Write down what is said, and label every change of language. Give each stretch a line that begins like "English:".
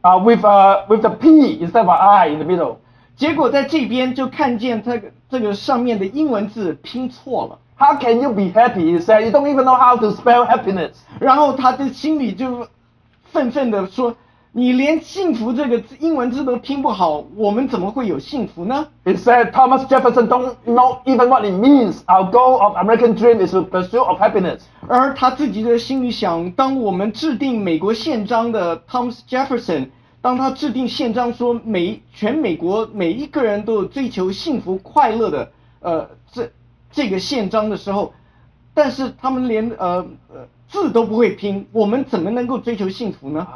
English: With a P instead of an I in the middle.
Chinese: 结果在这边就看见这个上面的英文字拼错了。
English: How can you be happy? He said, you don't even know how to spell happiness.
Chinese: 然后他的心里就愤愤地说，你连幸福这个英文字都拼不好，我们怎么会有幸福呢？
English: He said Thomas Jefferson don't know even what it means. Our goal of American dream is the pursuit of happiness.
Chinese: 而他自己的心里想，当我们制定美国宪章的 Thomas Jefferson, 当他制定宪章说全美国每一个人都有追求幸福快乐的这个宪章的时候，但是他们连字都不会拼，我们怎么能够追求幸福呢？